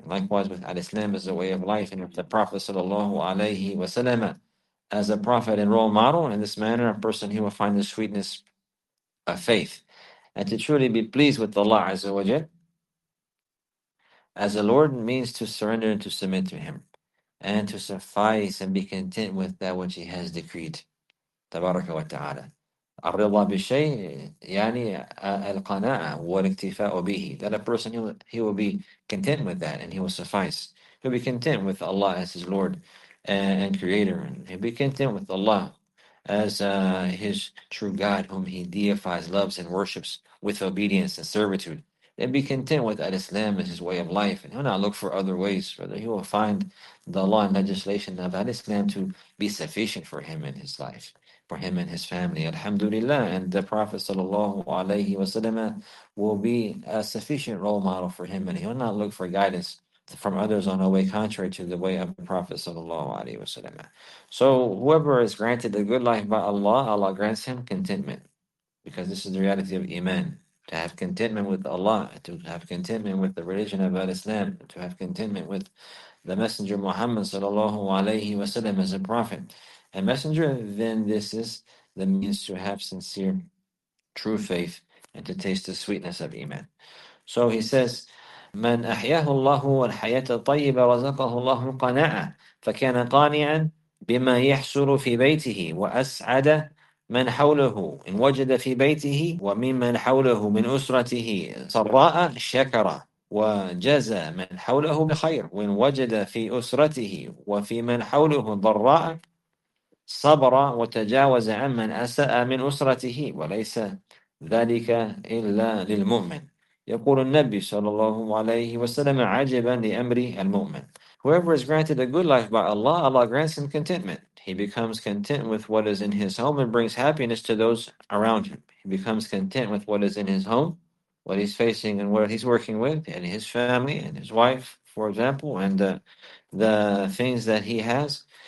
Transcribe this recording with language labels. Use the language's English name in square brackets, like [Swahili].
[English] Likewise with Al-Islam as a way of life, and with the Prophet sallallahu alayhi wa sallam as a prophet and role model, in this manner, a person, he will find the sweetness of faith. And to truly be pleased with Allah azza wa jal as the Lord means to surrender and to submit to him, and to suffice and be content with that which he has decreed. [Arabic] Tabaraka wa ta'ala. الرضا بالشيء يعني القناعة والاكتفاء به. [English] That a person, he will be content with that, and he will suffice. He'll be content with Allah as his Lord and Creator, and he'll be content with Allah as his true God, whom he deifies, loves, and worships with obedience and servitude. and be content with that Islam as his way of life, and he'll not look for other ways. Rather, he will find the law and legislation of that Islam to be sufficient for him in his life, for him and his family. Alhamdulillah, and the Prophet sallallahu alaihi wasallam will be a sufficient role model for him, and he'll not look for guidance from others on a way contrary to the way of the Prophet sallallahu alaihi wasallam. So whoever is granted the good life by Allah, Allah grants him contentment, because this is the reality of Iman, to have contentment with Allah, to have contentment with the religion of Islam, to have contentment with the Messenger Muhammad sallallahu alaihi wasallam as a prophet and messenger. Then this is the means to have sincere, true faith and to taste the sweetness of Iman. So he says, [Arabic] من أحياه الله والحياة الطيبة رزقه الله القناعة فكان قانعا بما يحصل في بيته وأسعد من حوله إن وجد في بيته وممن حوله من أسرته سراء شكر وجزى من حوله بخير وإن وجد في أسرته وفي من حوله ضراء صبر وتجاوز عمن أساء من أسرته وليس ذلك إلا للمؤمن. يقول النبي صلى الله عليه وسلم عجبا لأمر المؤمن. [English] Whoever is granted a good life by Allah, Allah grants him contentment. He becomes content with what is in his home and brings happiness to those around him. He becomes content with what is in his home, what he's facing and what he's working with, and his family and his wife, for example, and the things that he has.